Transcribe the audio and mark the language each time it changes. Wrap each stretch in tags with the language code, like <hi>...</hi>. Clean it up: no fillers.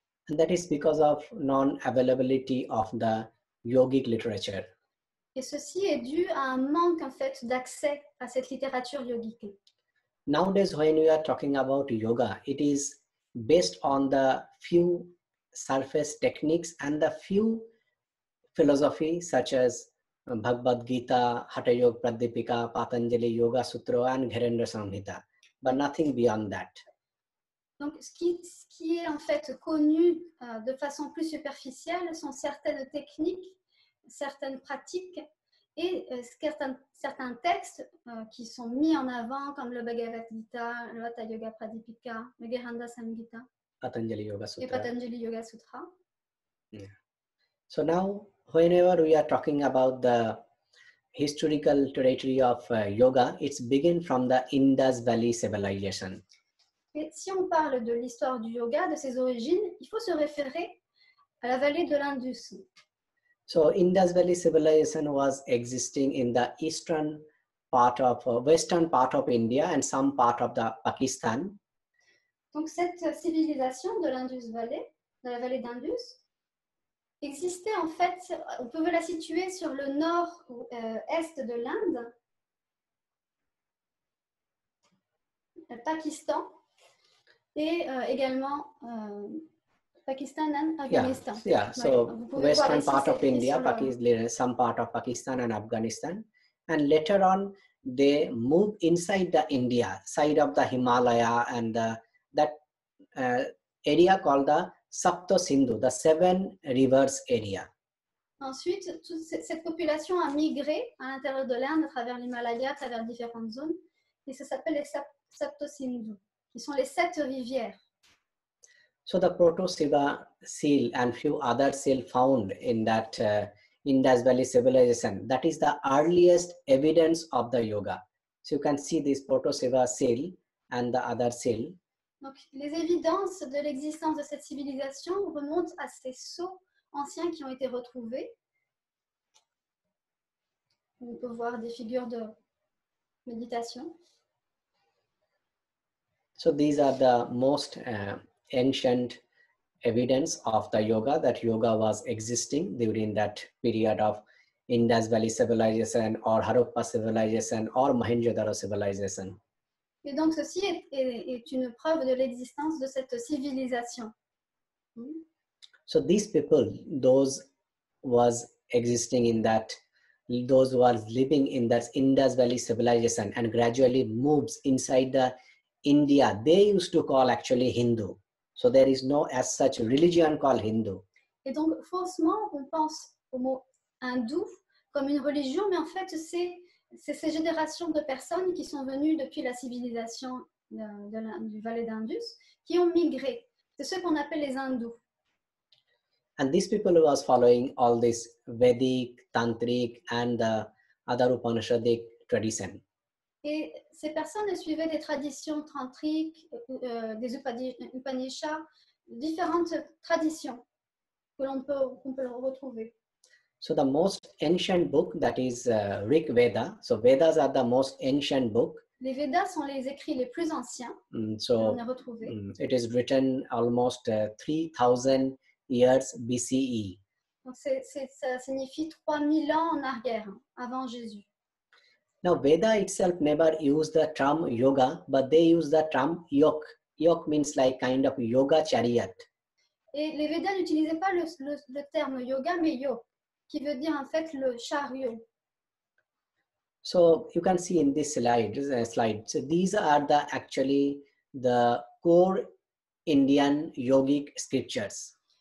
<en>And that is because of non-availability of the yogic literature.</en> <fr>Et ceci est dû à un manque en fait d'accès à cette littérature yogique.</fr> <en>Nowadays, when we are talking about yoga, it is based on the few surface techniques and the few philosophy such as Bhagavad Gita, Hatha Yoga Pradipika, Patanjali Yoga Sutra and Gharendra Samhita, but nothing beyond that.</en> <fr>Donc, ce qui est en fait connu de façon plus superficielle sont certaines techniques, certaines pratiques et certains textes qui sont mis en avant comme le Bhagavad Gita, le Hatha Yoga Pradipika, le Gharanda Samhita,</fr> <en>Patanjali Yoga Sutra.</en> <fr>Et Patanjali Yoga Sutra.</fr> <en>Yeah. So now, whenever we are talking about the historical territory of yoga, it's begin from the Indus Valley Civilization.</en> <fr>Et si on parle de l'histoire du yoga, de ses origines, il faut se référer à la vallée de l'Indus.</fr> <en>So Indus Valley Civilization was existing in the eastern part of western part of India and some part of the Pakistan.</en> <fr>Donc cette civilisation de l'Indus Valley, de la vallée d'Indus, existait en fait, on pouvait la situer sur le nord ou est de l'Inde. Pakistan et également Pakistan and Afghanistan.</fr> <en>Yeah, yeah. So western part of India, Pakistan, some part of Pakistan and Afghanistan, and later on they move inside the India side of the Himalaya and the, that area called the Sapto Sindhu, the seven rivers area.</en> <fr>Ensuite, toute cette population a migré à l'intérieur de l'Inde, à travers l'Himalaya, à travers différentes zones, et ça s'appelle les Sapto Sindhu, qui sont les sept rivières.</fr> <en>So the Proto-Shiva seal and few other seal found in that Indus Valley civilization, that is the earliest evidence of the yoga. So you can see this Proto-Shiva seal and the other seal.</en> <fr>Donc, les évidences de l'existence de cette civilisation remontent à ces sceaux anciens qui ont été retrouvés. On peut voir des figures de méditation.</fr> <en>So these are the most ancient evidence of the yoga, that yoga was existing during that period of Indus Valley civilization or Harappa civilization or Mohenjo-Daro civilization.</en> <fr>Et donc ceci est une preuve de l'existence de cette civilisation.</fr> <en>So these people, those was existing in that, those were living in that Indus Valley civilization and gradually moves inside the India, they used to call actually Hindu. So there is no as such religion called Hindu.</en> <fr>Et donc faussement on pense au mot hindou comme une religion, mais en fait c'est ces générations de personnes qui sont venues depuis la civilisation du vallée d'Indus qui ont migré. C'est ce qu'on appelle les hindous.</fr> <en>And these people who was following all this Vedic, Tantric and the other Upanishadic tradition.</en> <fr>Et ces personnes suivaient des traditions tantriques, des Upanishads, différentes traditions que qu'on peut retrouver.</fr> <en>So the most ancient book, that is Rig Veda. So Vedas are the most ancient book.</en> <fr>Les Vedas sont les écrits les plus anciens qu'on a retrouvés.</fr> <en>It is written almost 3000 years BCE.</en> <fr>Donc ça signifie 3000 ans en arrière, avant Jésus.</fr> <en>Now Veda itself never used the term yoga, but they use the term yok. Yok means like kind of yoga chariot.</en> <fr>Et les Vedas n'utilisaient pas le terme yoga, mais yok, qui veut dire en fait le chariot.</fr> <en>So you can see in this slide. So these are the core Indian yogic scriptures.</en>